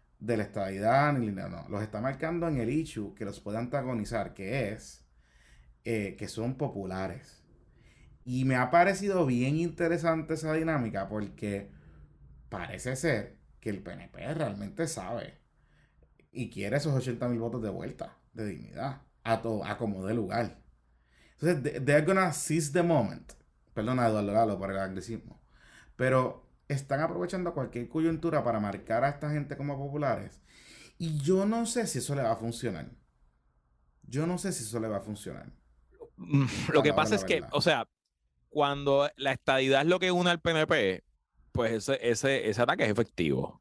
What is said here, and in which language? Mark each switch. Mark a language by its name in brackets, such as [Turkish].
[Spanish] de la estadidad ni nada, no. Los está marcando en el issue que los puede antagonizar, que es que son populares. Y me ha parecido bien interesante esa dinámica porque parece ser que el PNP realmente sabe y quiere esos 80 mil votos de vuelta, de dignidad, a todo, a como de lugar. [English] Entonces, they're gonna seize the moment. [Spanish] Perdona, Eduardo Galo, por el anglicismo. Pero están aprovechando cualquier coyuntura para marcar a esta gente como populares. Y yo no sé si eso le va a funcionar. Yo no sé si eso le va a funcionar. Lo que pasa es que, o sea, cuando la estadidad es lo que une al PNP, pues ese ataque es efectivo.